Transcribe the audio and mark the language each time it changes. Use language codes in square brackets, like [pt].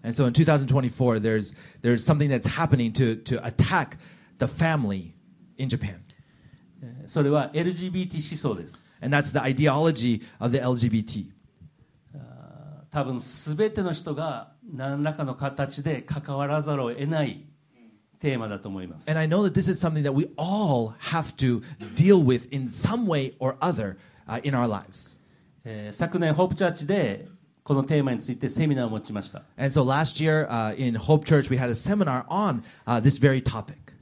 [en] And so in 2024, there's something that's happening to attack the family in Japan. [ja] それは LGBT 思想です。 [en] And that's the ideology of the LGBT. [ja] 多分すべての人が何らかの形で関わらざるを得ないテーマだと思います。 [en] And I know that this is something that we all have to deal with in some way or other, in our lives. [ja] 昨年 Hope Church でこのテーマについてセミナーを持ちました。 [en] And so last year, in Hope Church, we had a seminar on, this very topic.